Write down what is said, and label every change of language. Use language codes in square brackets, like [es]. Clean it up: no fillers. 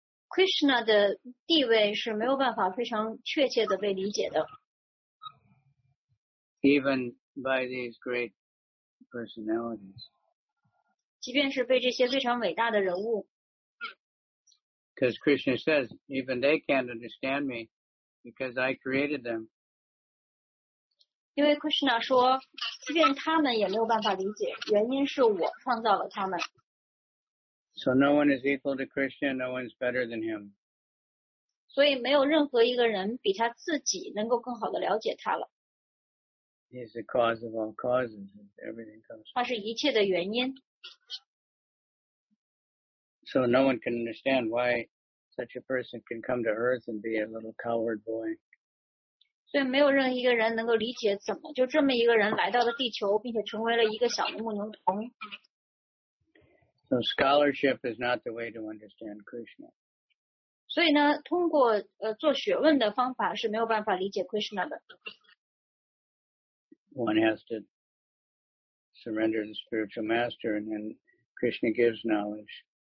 [zh] Krishna 的地位是没有办法非常确切的被理解的。 [en] Even by these great personalities. [zh] 即便是被这些非常伟大的人物。 [en] Because Krishna says, even they can't understand me because I created them. [zh] 因为 Krishna 说，即便他们也没有办法理解，原因是我创造了他们。 [en] So no one is equal to Krishna, no one is better than him. [zh] 所以没有任何一个人比他自己能够更好地了解他了。 [en] He is the cause of all causes, everything comes from. [zh] 他是一切的原因。 [en] So no one can understand why such a person can come to earth and be a little coward boy. [zh] 所以没有任何一个人能够理解怎么就这么一个人来到了地球并且成为了一个小的牧牛童。 [en] So scholarship is not the way to understand Krishna. [zh] 所以呢，通过做学问的方法是没有办法理解 Krishna 的。 [en] One has to surrender to the spiritual master, and then Krishna gives knowledge.